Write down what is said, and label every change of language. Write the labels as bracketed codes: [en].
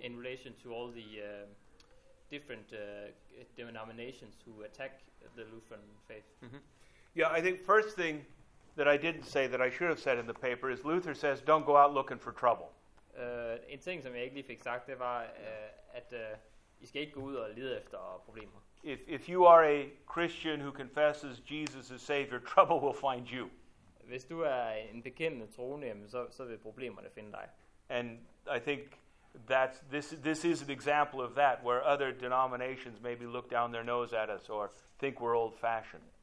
[en] In relation to all the different denominations who attack the Lutheran faith. Mm-hmm. Yeah, I think first thing that I didn't say that I should have said in the paper is Luther says don't go out looking for trouble. [da] En ting som jeg ikke lige fik sagt, det var at I skal ikke gå ud og lede efter problemer. [en] If you are a Christian who confesses Jesus as Savior, trouble will find you. [da] Hvis du er en bekendende troende, så vil problemerne finde dig. [en] And I think that's this is an example of that, where other denominations maybe look down their nose at us or think we're old fashioned.